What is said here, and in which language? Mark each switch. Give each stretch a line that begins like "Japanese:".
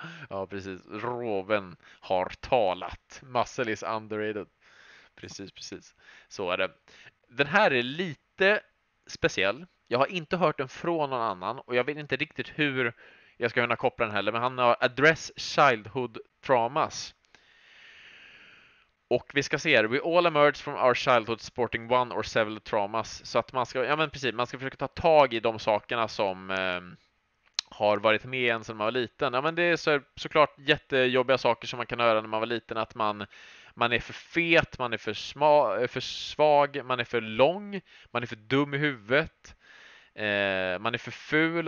Swedish: Ja, precis. Roven har talat.
English: Muscle is underrated.
Swedish: Precis, precis. Så är det. Den här är lite speciell. Jag har inte hört den från någon annan, och jag vet inte riktigt hur jag ska kunna koppla den heller, men han har
English: Address Childhood Traumas.
Swedish: Och vi ska se här.
English: We all emerge from our childhood sporting one or several traumas.
Swedish: Så att man ska, ja men precis, man ska försöka ta tag i de sakerna som har varit med en sedan man var liten. Ja men det är såklart jättejobbiga saker som man kan höra när man var liten, att man är för fet, man är för svag, man är för lång, man är för dum i huvudet, man är för ful.